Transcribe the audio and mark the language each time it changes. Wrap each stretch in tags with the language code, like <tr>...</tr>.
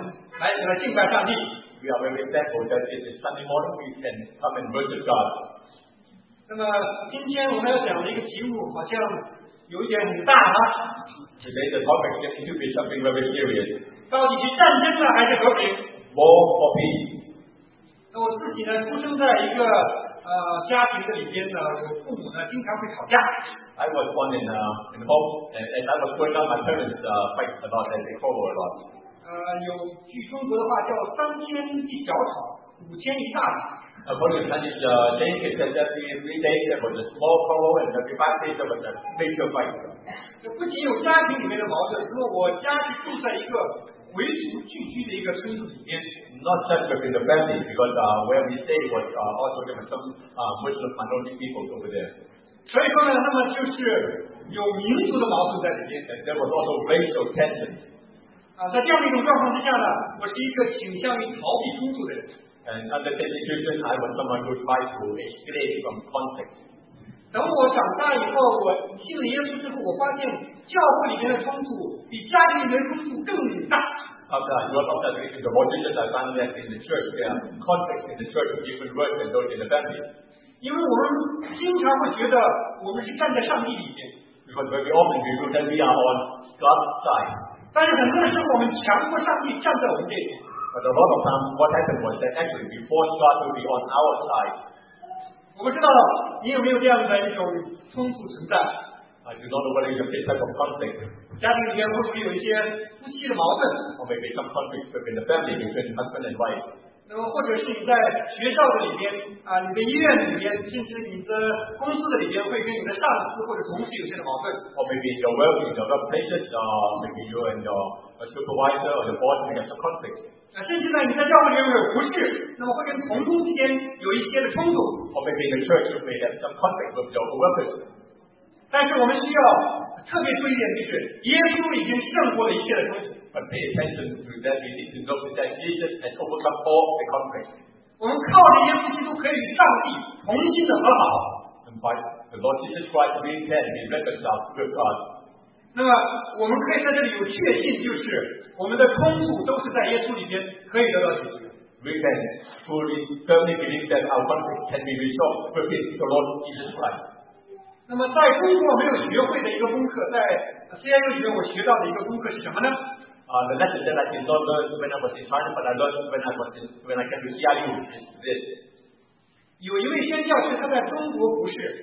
<en>We are very thankful that it is Sunday morning we can come and worship God.</en> <zh>那么今天我们要讲的一个题目好像有一点很大啊。</zh> <en>Today the topic seems to be something very serious.</en> <zh>到底是战争呢还是和平？</zh> <en>War or peace?</en> <zh>那我自己呢，出生在一个家庭的里边呢，我父母呢经常会吵架。</zh> <en>I was born in home, and I was growing up, my parents fight a lot, and they quarrel a lot.</en> <zh>有据中国的话叫三天一小吵，五天一大吵。</zh> <en>According to Chinese thinking, that every day there was a small quarrel, and every 5 days there was a major fight.</en> <zh>这不仅有家庭里面的矛盾，那么我家是住在一个维族聚居的一个村子里面。</zh> <en>Not just within the family, because where we stay was also there were some Muslim minority people over there.</en> <zh>所以说呢，那么就是有民族的矛盾在里面。</zh> <en>There was also racial tension.</en> <zh>在这样的一种状况之下呢，我是一个倾向于逃避冲突的人。</zh> <en>And under this situation, I was someone who tried to escape from conflict.</en> <zh>等我长大以后，我信了耶稣之后，我发现教会里面的冲突比家庭里面的冲突更大。</zh> <en>After I found that in the church, there are conflicts in the church even worse than those in the family.</en> <zh>因为我们经常会觉得我们是站在上帝里面。</zh> <en>Because very often we feel that we are on God's side.</en> <zh>但是很多时候我们强迫上帝站在我们这边。</zh> <en>But a lot of times what happened was that actually we forced God to be on our side.</en> <zh>我不知道你有没有这样的一种冲突存在。</zh> <en>I do not know whether you have this type of conflict.</en> <zh>家庭里面或许有一些夫妻的矛盾。</zh> <en>Or maybe some conflict between the family between husband and wife.</en> <zh>或者是你在学校的里边你的医院里边，甚至你的公司的里边，会跟你的上司或者同事有些的矛盾。</zh> <en>Or maybe in your work, in your places, maybe you and your supervisor or your boss may have some conflict.</en> <zh>甚至呢，你在教会里面有不适，那么会跟同工之间有一些的冲突。</zh> <en>Or maybe in the church, you may have some conflict with your workers.</en> <zh>但是我们需要特别注意一点，就是耶稣已经胜过了一切的东西。</zh> <en>But pay attention to that. We need to know that Jesus has overcome all the conflict.</en> <zh>我们靠着耶稣基督可以与上帝同心的和好。</zh> <en>And by the Lord Jesus Christ, we can be reconciled with God.</en> <zh>那么我们可以在这里有确信，就是我们的冲突都是在耶稣里边可以得到解决。</zh> <en>We can fully firmly believe that our conflict can be resolved with the Lord Jesus Christ.</en> <zh>那么在工作没有学会的一个功课，在CIU里面我学到的一个功课是什么呢？</zh> <en>The lesson that I did not learn when I was in China, but I learned when I was in, when I came to CIU is this.</en> <zh>有一位宣教士，他在中国服侍。</zh>